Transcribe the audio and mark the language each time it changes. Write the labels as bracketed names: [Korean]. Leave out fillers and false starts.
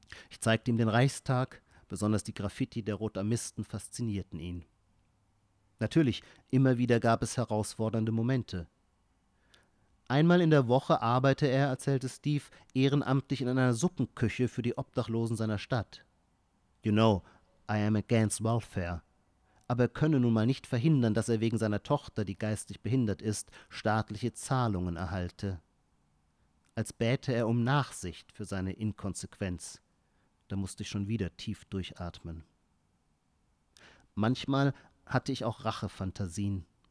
[German] Ich zeigte ihm den Reichstag, besonders die Graffiti der Rotarmisten faszinierten ihn. Natürlich, immer wieder gab es herausfordernde Momente. Einmal in der Woche arbeite er, erzählte Steve, ehrenamtlich in einer Suppenküche für die Obdachlosen seiner Stadt. [English] You know, I am against welfare. [German] Aber er könne nun mal nicht verhindern, dass er wegen seiner Tochter, die geistig behindert ist, staatliche Zahlungen erhalte. Als bäte er um Nachsicht für seine Inkonsequenz. Da musste ich schon wieder tief durchatmen. Manchmal hatte ich auch Rachefantasien.